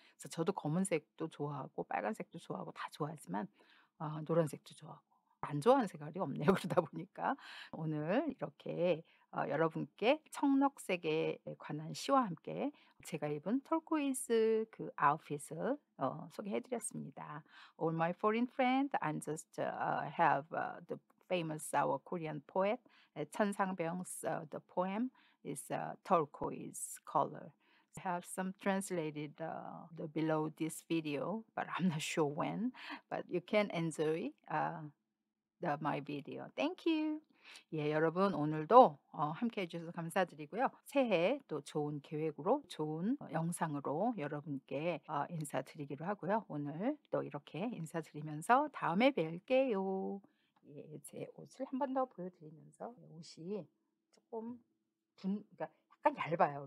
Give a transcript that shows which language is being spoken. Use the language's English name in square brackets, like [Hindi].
[Korean] 그래서 저도 검은색도 좋아하고 빨간색도 좋아하고 다 좋아하지만 노란색도 좋아하고 안 좋아하는 색깔이 없네요. 그러다 보니까 오늘 이렇게 여러분께 청록색에 관한 시와 함께 제가 입은 털코이즈 그 아웃핏을 소개해드렸습니다. [English] All my foreign friends, I'm just have the famous our Korean poet 천상병's the poem is a turquoise color. I have some translated the below this video, but I'm not sure when. But you can enjoy my video. Thank you. [Korean] 예, 여러분 오늘도 함께해 주셔서 감사드리고요. 새해 또 좋은 계획으로 좋은 영상으로 여러분께 인사드리기로 하고요. 오늘 또 이렇게 인사드리면서 다음에 뵐게요. 예, 제 옷을 한 번 더 보여드리면서 옷이 조금 그러니까 약간 얇아요.